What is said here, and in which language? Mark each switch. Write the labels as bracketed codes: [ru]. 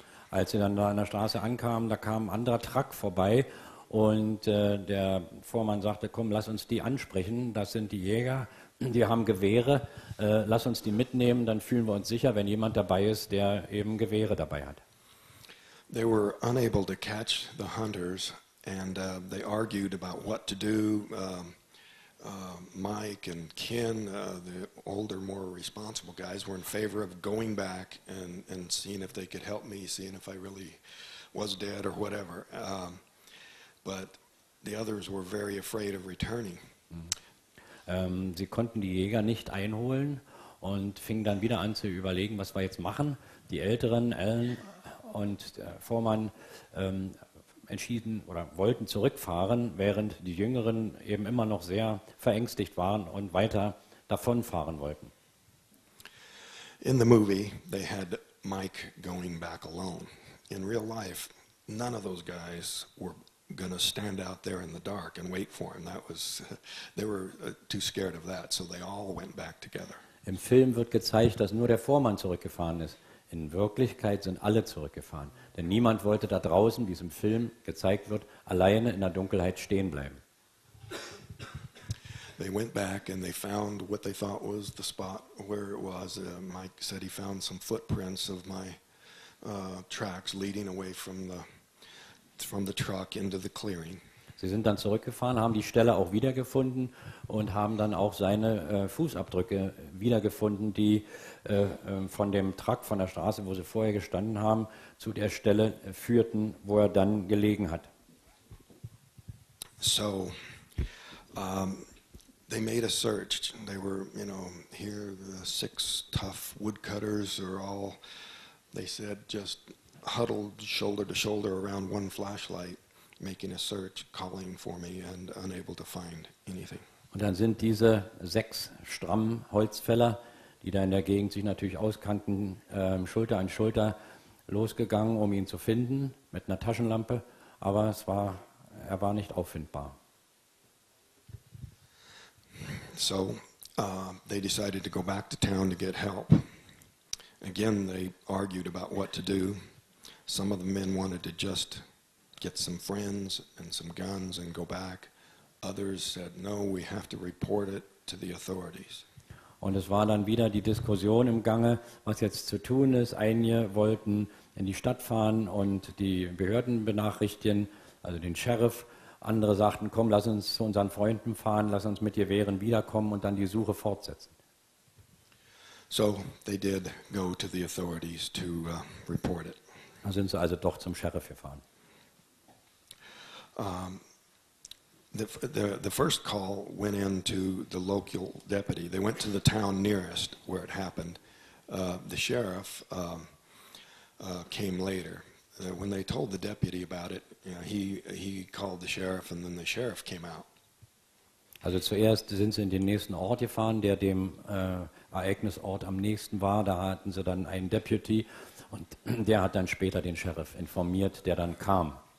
[de] Als sie dann da an der Straße ankamen, da kam ein anderer Truck vorbei, und der Vormann sagte, komm, lass uns die ansprechen, das sind die Jäger, die haben Gewehre, lass uns die mitnehmen, dann fühlen wir uns sicher, wenn jemand dabei ist, der eben Gewehre dabei hat. [en] They were unable to catch the hunters, and they argued about what to do. Mike and Ken, the older, more responsible guys, were in favor of going back and seeing if they could help me, seeing if I really was dead or whatever. But the others were very afraid of returning. [de] Sie konnten die Jäger nicht einholen und fingen dann wieder an zu überlegen, was wir jetzt machen. Die Älteren, Alan und der Vormann, entschieden oder wollten zurückfahren, während die Jüngeren eben immer noch sehr verängstigt waren und weiter davonfahren wollten. [en] In the movie, they had Mike going back alone. In real life, none of those guys were going to stand out there in the dark and wait for him. They were too scared of that, so they all went back together. [de] Im Film wird gezeigt, dass nur der Vormann zurückgefahren ist. In Wirklichkeit sind alle zurückgefahren, denn niemand wollte da draußen, wie es im Film gezeigt wird, alleine in der Dunkelheit stehen bleiben. [en] They went back and they found what they thought was the spot where it was. Mike said he found some footprints of my tracks leading away from the truck into the clearing. [de] Sie sind dann zurückgefahren, haben die Stelle auch wiedergefunden und haben dann auch seine Fußabdrücke wiedergefunden, die von dem Truck, von der Straße, wo sie vorher gestanden haben, zu der Stelle führten, wo er dann gelegen hat. [en] So, they made a search. They were, you know, here the six tough woodcutters are all, they said, just huddled shoulder to shoulder around one flashlight. Making a search, calling for me and unable to find anything. [de] Und dann sind diese sechs strammen Holzfäller, die da in der Gegend sich natürlich auskannten, Schulter an Schulter losgegangen, um ihn zu finden, mit einer Taschenlampe, aber er war nicht auffindbar. [en] So, they decided to go back to town to get help. Again, they argued about what to do. Some of the men wanted to just get some friends and some guns and go back. Others said, no, we have to report it to the authorities. [de] Und es war dann wieder die Diskussion im Gange, was jetzt zu tun ist. Einige wollten in die Stadt fahren und die Behörden benachrichtigen, also den Sheriff. Andere sagten, komm, lass uns zu unseren Freunden fahren, lass uns mit Gewehren wiederkommen und dann die Suche fortsetzen. [en] So they did go to the authorities to report it. [de] Dann sind sie also doch zum Sheriff gefahren. [en] The first call went in to the local deputy. They went to the town nearest where it happened. The sheriff came later. When they told the deputy about it, you know, he called the sheriff, and then the sheriff came out. [de] Also zuerst sind sie in den nächsten Ort gefahren, der dem Ereignisort am nächsten war. Da hatten sie dann einen Deputy, und der hat dann später den Sheriff informiert, der dann kam.